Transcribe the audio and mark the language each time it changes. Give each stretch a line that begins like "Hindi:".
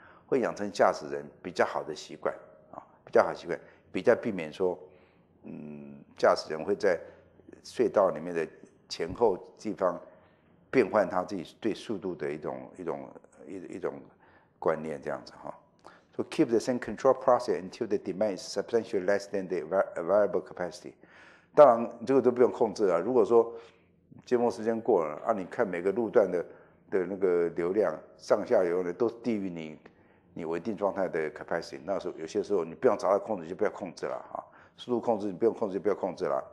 Chinese: 会养成驾驶人比较好的习惯啊，比较好习惯，比较避免说，驾驶人会在隧道里面的前后地方变换他自己对速度的一种观念这样子哈。
English: So keep the same control process until the demand is substantially less than the available capacity。
Chinese: 当然，这个都不用控制了。如果说接驳时间过了，你看每个路段的那个流量上下游呢，都低于你稳定状态的 capacity， 那时候有些时候你不想找到控制就不要控制了啊，速度控制你不用控制就不要控制了。